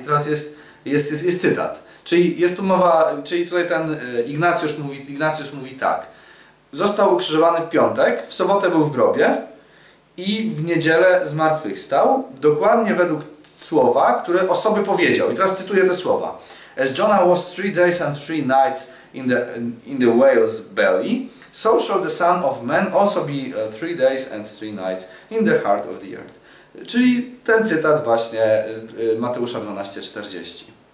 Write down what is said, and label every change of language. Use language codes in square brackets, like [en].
[pl] I teraz jest cytat. Czyli jest tu mowa, czyli tutaj ten Ignatius mówi tak. Został ukrzyżowany w piątek, w sobotę był w grobie i w niedzielę zmartwychwstał. Dokładnie według słowa, które osoby powiedział. I teraz cytuję te słowa. [en] As Jonah was 3 days and 3 nights in the whale's belly, so shall the Son of Man also be 3 days and 3 nights in the heart of the earth. [pl] Czyli ten cytat właśnie z Mateusza 12:40.